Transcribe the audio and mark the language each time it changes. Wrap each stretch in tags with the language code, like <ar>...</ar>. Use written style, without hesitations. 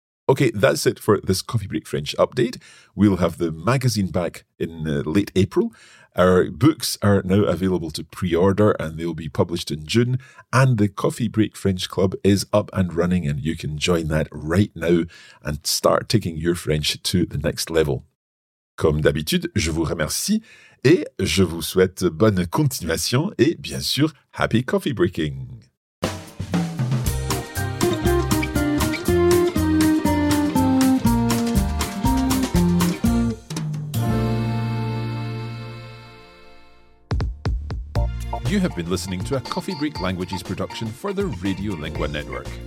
<en>Okay, that's it for this Coffee Break French update. We'll have the magazine back in late April. Our books are now available to pre-order, and they'll be published in June. And the Coffee Break French Club is up and running, and you can join that right now and start taking your French to the next level.</en> <fr>Comme d'habitude, je vous remercie et je vous souhaite bonne continuation et bien sûr,</fr> <en>happy coffee breaking! You have been listening to a Coffee Break Languages production for the Radiolingua Network.</en>